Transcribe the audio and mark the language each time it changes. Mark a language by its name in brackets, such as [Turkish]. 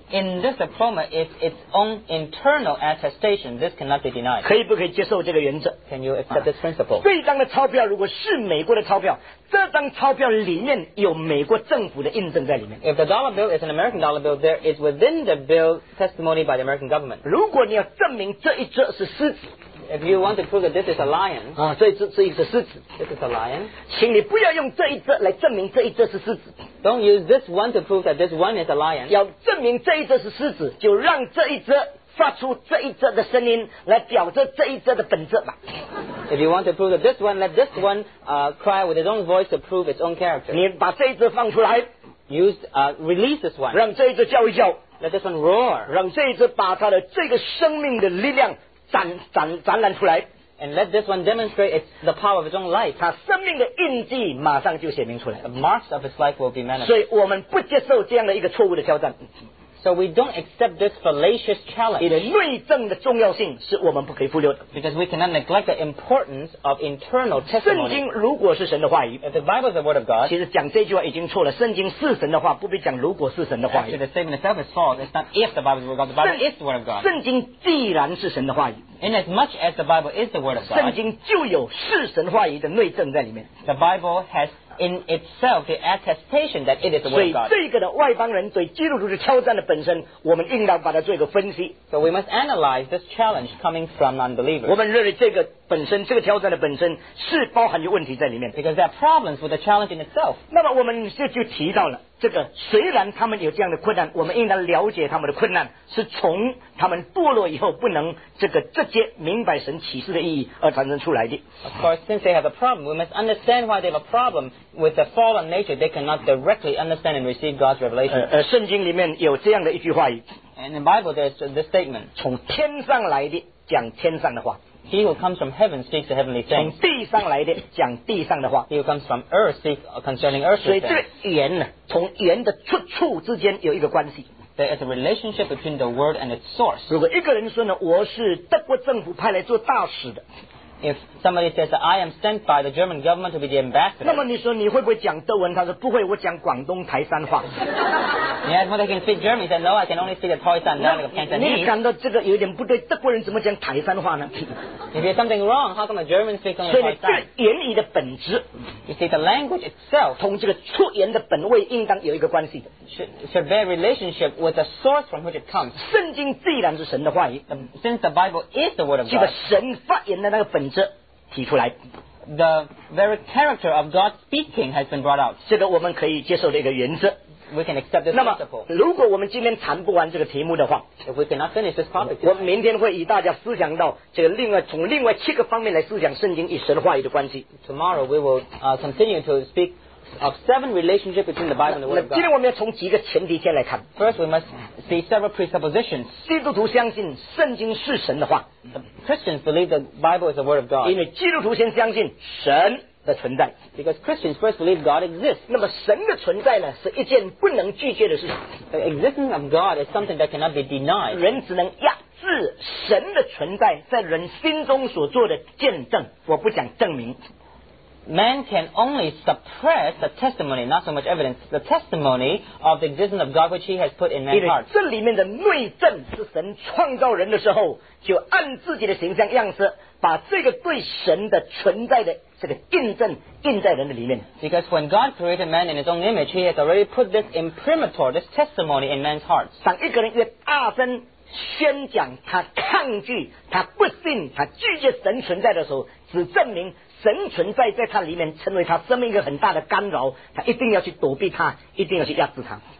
[English] In this diploma is its own internal attestation. This cannot be denied. [Chinese] 可以不可以接受这个原则 [English] ？Can you accept this principle? [Chinese] 这张的钞票如果是美国的钞票，这张钞票里面有美国政府的印证在里面。 [English] If the dollar bill is an American dollar bill, there is within the bill testimony by the American government. [Chinese] 如果你要证明这一只是狮子 [English] ，If you want to prove that this is a lion, [Chinese] 啊，这一只狮子 [English] ，This is a lion. [Chinese] 请你不要用这一只来证明这一只是狮子。 [English] Don't use this one to prove that this one is a lion. [Chinese] 要证明这一只是狮子，就让这一只发出这一则的声音来表示这一则的本质吧。 [English] If you want to prove that this one, let this one cry with its own voice to prove its own character. [Chinese] 你把这一则放出来。 [English] Release this one. [Chinese] 让这一则叫一叫。 [English] Let this one roar. [Chinese] 让这一则把它的这个生命的力量展览出来。 [English] And let this one demonstrate the power of its own life. [Chinese] 他生命的印记马上就显明出来。 [English] The marks of his life will be manifest. [Chinese] 所以我们不接受这样的一个错误的挑战。 [English] So we don't accept this fallacious challenge. [Chinese] 你的内证的重要性是我们不可以忽略的。 [English] Because we cannot neglect the importance of internal testimony. [Chinese] 圣经如果是神的话语， [English] If the Bible is the word of God, [Chinese] 其实讲这句话已经错了。圣经是神的话，不必讲如果是神的话语。 [English] Actually, the statement itself is false. It's not if the Bible is the word of God. The Bible is the word of God. [Chinese] 圣经既然是神的话语。 [English] In as much as the Bible is the word of God, [Chinese] 圣经就有是神话语的内证在里面。 [English] The Bible has in itself the attestation that it is the word of God. [Chinese] 所以这个的外邦人对基督徒的挑战的本身，我们应当把它做一个分析。 [English] So we must analyze this challenge coming from non-believers. [Chinese] 我们认为这个本身，这个挑战的本身是包含有问题在里面。 [English] Because there are problems with the challenge in itself. [Chinese] 那么我们就提到了。这个虽然他们有这样的困难，我们应当了解他们的困难是从他们堕落以后不能这个直接明白神启示的意义而产生出来的。 [English] Of course, since they have a problem, we must understand why they have a problem with the fallen nature. They cannot directly understand and receive God's revelation. [Chinese] 圣经里面有这样的一句话语。 [English] And in the Bible, there's this statement. [Chinese] 从天上来的讲天上的话。 [English] He who comes from heaven speaks the heavenly things. [Chinese] 从地上来的讲地上的话。 [English] He who comes from earth speaks concerning earthly things. [Chinese] 所以这个言呢，从言的出处之间有一个关系。 [English] There is a relationship between the word and its source. [Chinese] 如果一个人说呢，我是德国政府派来做大使的。 [English] If somebody says that I am sent by the German government to be the ambassador. [Chinese] 那么你说你会不会讲德文？他说不会，我讲广东台山话。 [English] You ask whether I can speak German. He said, no, I can only speak the Toisan dialect of Cantonese. [Chinese] 你感到这个有点不对，德国人怎么讲台山话呢？ [English] If there's something wrong, how come the Germans speak only Toisan? [Chinese] 所以言语的本质， [English] you see, the language itself [Chinese] 同这个出言的本位应当有一个关系。 [English] Should bear relationship with the source from which it comes. [Chinese] 圣经既然是神的话语， [English] since the Bible is the word of God, [Chinese] 这个神发言的那个本质提出来。 [English] The very character of God speaking has been brought out. [Chinese] 这个我们可以接受的一个原则。 [English] We can accept this principle. [Chinese] 如果我们今天谈不完这个题目的话， [English] If we cannot finish this topic, [Chinese] 我明天会与大家思想到这个从另外七个方面来思想圣经与神话语的关系。 [English] Tomorrow we will continue to speak of seven relationships between the Bible and the Word of God. [Chinese] 今天我们要从几个前提先来看。 [English] First, we must see several presuppositions. [Chinese] 基督徒相信圣经是神的话。 [English] Christians believe the Bible is the Word of God. [Chinese] 因为基督徒先相信神。的存在 [English] ，because Christians first believe God exists. [Chinese] 那么神的存在呢，是一件不能拒绝的事情。 [English] The existence of God is something that cannot be denied. [Chinese] 人只能压制神的存在在人心中所做的见证。我不讲证明。 [English] Man can only suppress the testimony, not so much evidence, the testimony of the existence of God which he has put in man's heart. [Chinese] 这里面的内证是神创造人的时候，就按自己的形象样式，把这个对神的存在的这个印证印在人的里面。 [English] Because when God created man in his own image, he has already put this imprimatur, this testimony in man's heart. [Chinese] 当一个人越大声宣讲他抗拒、他不信、他拒绝神存在的时候，只证明神存在在他里面成为他生命一个很大的干扰，他一定要去躲避他，一定要去压制他。